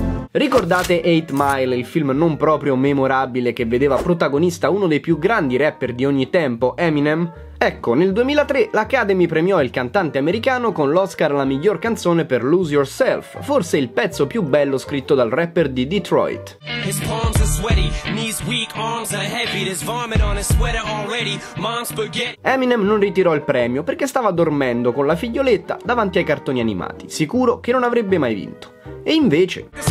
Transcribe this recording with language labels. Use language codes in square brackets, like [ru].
[it] Ricordate 8 Mile, il film non proprio memorabile che vedeva protagonista uno dei più grandi rapper di ogni tempo, Eminem? Ecco, nel 2003 l'Academy premiò il cantante americano con l'Oscar alla miglior canzone per Lose Yourself, forse il pezzo più bello scritto dal rapper di Detroit. [en] His palms are sweaty, knees weak, arms are heavy, there's vomit on his sweater already, mom's spaghetti. [it] Eminem non ritirò il premio perché stava dormendo con la figlioletta davanti ai cartoni animati, sicuro che non avrebbe mai vinto. E invece...